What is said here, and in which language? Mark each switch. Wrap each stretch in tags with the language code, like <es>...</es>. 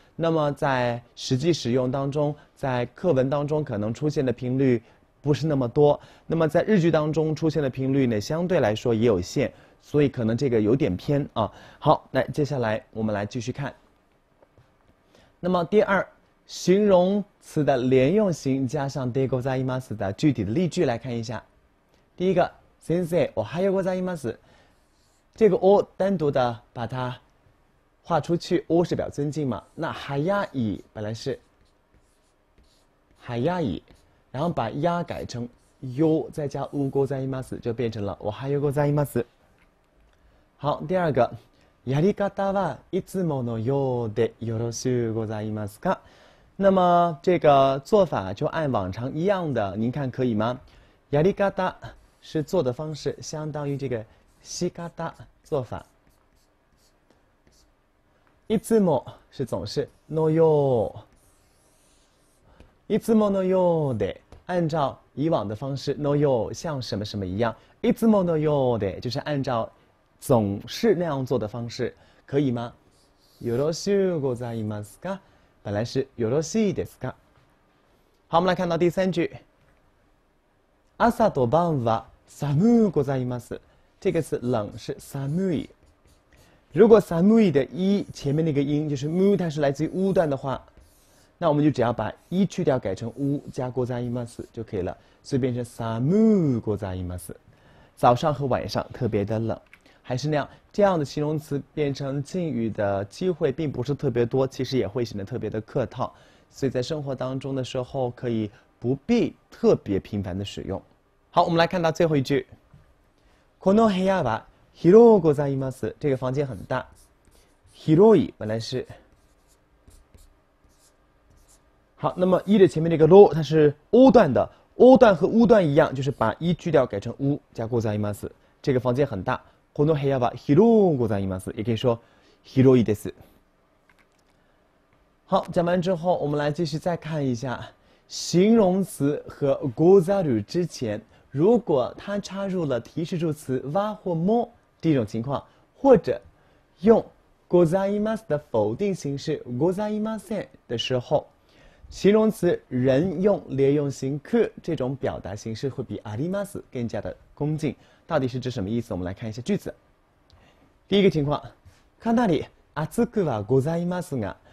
<zh>那么在实际使用当中，在课文当中可能出现的频率不是那么多，那么在日句当中出现的频率呢，相对来说也有限，所以可能这个有点偏啊。好，来接下来我们来继续看。那么第二，形容词的连用型加上でございます的具体的例句来看一下。</zh> <ja>第一个，先生おはようございます。</ja> <zh>这个お单独的把它画出去，お是表尊敬嘛？那はやい本来是はやい，然后把や改成よ，再加うございます，就变成了おはようございます。好，第二个。</zh> <ja>やり方はいつものようでよろしゅうございますか？</ja> <zh>那么这个做法就按往常一样的，您看可以吗？やり方是做的方式，相当于这个仕方做法。いつも是总是のよう，いつものようで按照以往的方式のよう像什么什么一样，いつものようで就是按照。总是那样做的方式，可以吗？</zh> <ja>よろしゅうございますか？本来是よろしいですか？</ja> <zh>好，我们来看到第三句。</zh> <ja>朝と晩は寒うございます。</ja> <zh>这个词冷是寒い。如果寒い的一前面那个音就是む，它是来自于う段的话，那我们就只要把一去掉，改成う加ございます就可以了，所以变成寒うございます。早上和晚上特别的冷，还是那样，这样的形容词变成敬语的机会并不是特别多，其实也会显得特别的客套，所以在生活当中的时候可以不必特别频繁的使用。好，我们来看到最后一句。</zh> <ja>この部屋は広うございます。</ja> <zh>这个房间很大。広い本来是。好，那么一的前面这个ろ，它是お段的。お段和う段一样，就是把一去掉，改成う加ございます。这个房间很大。</zh> <ja>この部屋は広うございます。</ja> <zh>也可以说広いです。好，讲完之后，我们来继续再看一下形容词和ござる之前。如果它插入了提示助词わ或も这种情况，或者用ございます的否定形式ございません的时候，形容词人用连用形く这种表达形式会比あります更加的恭敬。到底是指什么意思？我们来看一下句子。第一个情况，</zh> <ja>かなり暑くはございますが，</ja>